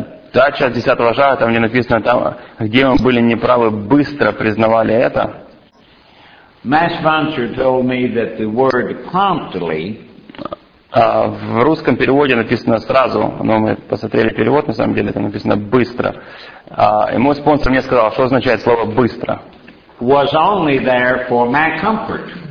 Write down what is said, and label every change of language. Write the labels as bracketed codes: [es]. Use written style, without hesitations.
[ru] Та часть 10-го шага, там не написано, там, где мы были неправы, быстро признавали это. [en] Masvancher told me that the word promptly. [ru] В русском переводе написано сразу, но мы посмотрели перевод, на самом деле это написано быстро. И мой спонсор мне сказал, что означает слово быстро. [en] Was only there for my comfort.